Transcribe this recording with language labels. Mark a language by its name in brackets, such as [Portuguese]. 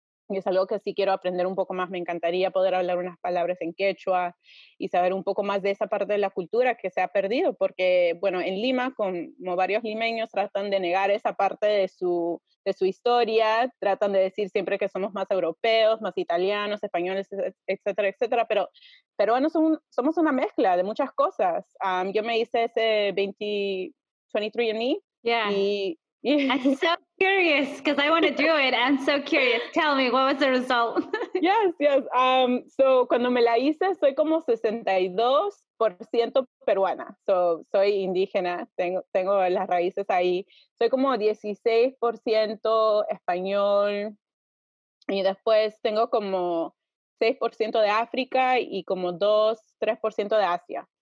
[Spanish] Y es algo que sí quiero aprender un poco más, me encantaría poder hablar unas palabras en quechua y saber un poco más de esa parte de la cultura que se ha perdido, porque bueno, en Lima, como varios limeños tratan de negar esa parte de su historia, tratan de decir siempre que somos más europeos, más italianos, españoles, etcétera, etcétera, pero peruanos somos una mezcla de muchas cosas. Yo me hice ese 23andMe. [English] Yeah. I'm so curious because I want to do it. I'm so curious. Tell me, what was the result? Yes. [Spanish] So, cuando me la hice, soy como 62% peruana. So, soy indígena. Tengo las raíces ahí. Soy como 16% español. Y después tengo como 6% de África y como 2-3% de Asia.